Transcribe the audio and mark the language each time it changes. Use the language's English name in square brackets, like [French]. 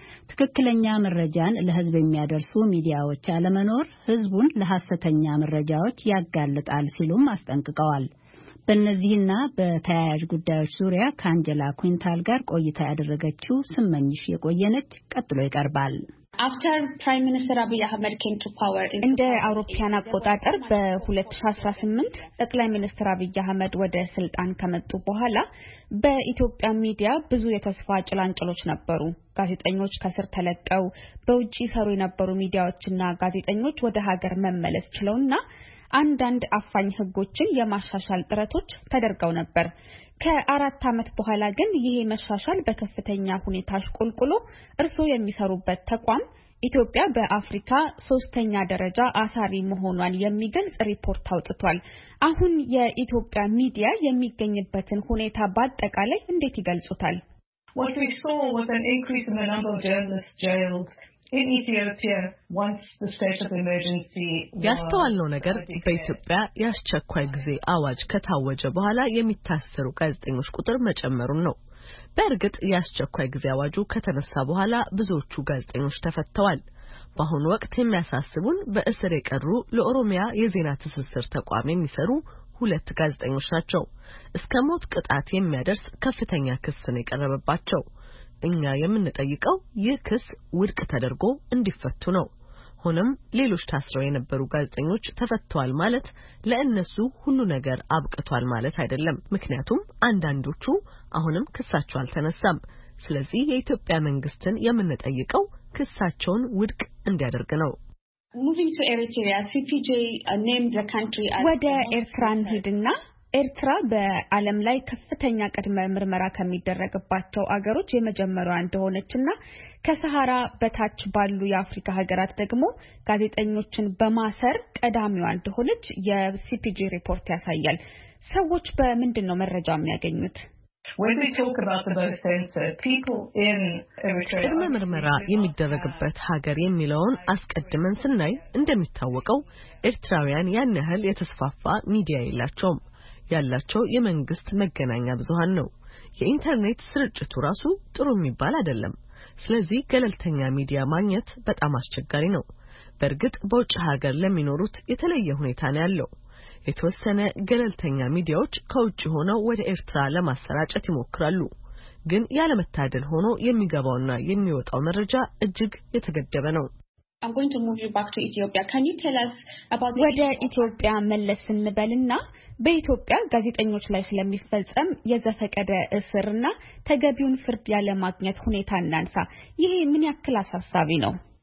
[Amharic] ትክክለኛ መረጃን ለሕዝብ የሚያደርሱ ሚዲያዎች አለመኖር ሕዝቡን ለሐሰተኛ መረጃዎች ያጋልጣል ሲሉም አስጠንቅቀዋል። በእነዚህና በተያያዥ ጉዳዮች ዙሪያ ከአንጀላ ኩዊንታል ጋር ቆይታ ያደረገችው ስመኝሽ የቆየነች ቀጥሎ ይቀርባል። [English] After Prime Minister Abiy Ahmed came to power in [Amharic] እንደ አውሮፓና ቆጣጠር በ2018 ጠቅላይ ሚኒስትር አብይ አህመድ ወደ ስልጣን ከመጡ በኋላ በኢትዮጵያ ሚዲያ ብዙ የተስፋ ጭላንጭሎች ነበሩ። ጋዜጠኞች ከስር ተለቀው በውጪ ሰሩ የነበሩ ሚዲያዎችና ጋዜጠኞች ወደ ሀገር መመለስ ችለውና አንዳንድ አፋኝ ህጎችን የማሻሻል ጥረቶች ተደርገው ነበር። ከአራት አመት በኋላ ግን ይሄ መሻሻል በከፍተኛ ሁኔታ ሽቆልቁሎ እርሶ የሚሰሩበት ተቋም ኢትዮጵያ በአፍሪካ ሶስተኛ ደረጃ አሳሪ መሆኗን የሚገልጽ ሪፖርት አውጥቷል። አሁን የኢትዮጵያ ሚዲያ የሚገኝበትን ሁኔታ በአጠቃላይ እንዴት ይገልጹታል? [English] What we saw was an increase in the number of journalists jailed in Ethiopia once the state of emergency [Amharic] ያስተዋልነው ነገር በኢትዮጵያ ያስቸኳይ ጊዜ አዋጅ ከታወጀ በኋላ የሚታሰሩ ጋዜጠኞች ቁጥር መጨመሩ ነው። በእርግጥ ያስቸኳይ ጊዜ አዋጁ ከተነሳ በኋላ ብዙዎቹ ጋዜጠኞች ተፈተዋል። በአሁኑ ወቅት የሚያሳስቡን በእስር የቀሩ ለኦሮሚያ የዜና ተስስር ተቋም የሚሰሩ ሁለት ጋዜጠኞች ናቸው። እስከ ሞት ቅጣት የሚያደርስ ከፍተኛ ክስ ነው የቀረበባቸው። እኛ የምንጠይቀው የክስ ውድቅ ተደርጎ እንዲፈቱ ነው። ሆነም ሌሎች ታስረው የነበሩ ጋዜጠኞች ተፈቷል ማለት ለእነሱ ሁሉ ነገር አብቅቷል ማለት አይደለም። ምክንያቱም አንዳንዶቹ አሁንም ክሳቸው አልተነሳም። ስለዚህ የኢትዮጵያ መንግስትን የምንጠይቀው ክሳቸውን ውድቅ እንዲያደርግ ነው። [English] Moving to Eritrea, CPJ named the country as [Amharic] ወደ ኤርትራ ሄድና ኤርትራ በዓለም ላይ ከፍተኛ ቅድመ ምርመራ ከሚደረግባቸው አገሮች የመጀመሪያው እንደሆነችና ከሰሃራ በታች ባሉ የአፍሪካ ሀገራት ደግሞ ጋዜጠኞችን በማሰር ቀዳሚው እንደሆነች የሲፒጂ ሪፖርት ያሳያል። ሰዎች በመንድነው መረጃ የሚያገኙት? [English] When we talk about the most censored people in Eritrea, [Amharic] ቅድመ ምርመራ የሚደረግበት ሀገር የሚለውን አስቀድመን ስናይ እንደሚታወቀው ኤርትራውያን ያን ያህል የተስፋፋ ሚዲያ የላቸውም። ያላቸው የመንግስት መገናኛ ብዙሃን ነው። የኢንተርኔት ስርጭቱ ራሱ ጥሩ የሚባል አይደለም። ስለዚህ ገለልተኛ ሚዲያ ማግኘት በጣም አስቸጋሪ ነው። በርግጥ በውጭ ሀገር ለሚኖሩት የተለየ ሁኔታ ነው ያለው። የተወሰነ ገለልተኛ ሚዲያዎች ከውጭ ሆነው ወደ ኤርትራ ለማሰራጨት ይሞክራሉ። ግን ያለ መታደል ሆኖ የሚገባውና የሚወጣው መረጃ እጅግ የተገደበ ነው። [English] I'm going to move you back to Ethiopia. Can you tell us about the [Amharic] ወደ ኢትዮጵያ መለስ እንበልና በኢትዮጵያ ጋዜጠኞች ላይ ስለሚፈጸም የዘፈቀደ እስርና ተገቢውን ፍርድ ያለ ማግኘት ሁኔታ እናንሳ። ይሄ ምን ያክል አሳሳቢ ነው?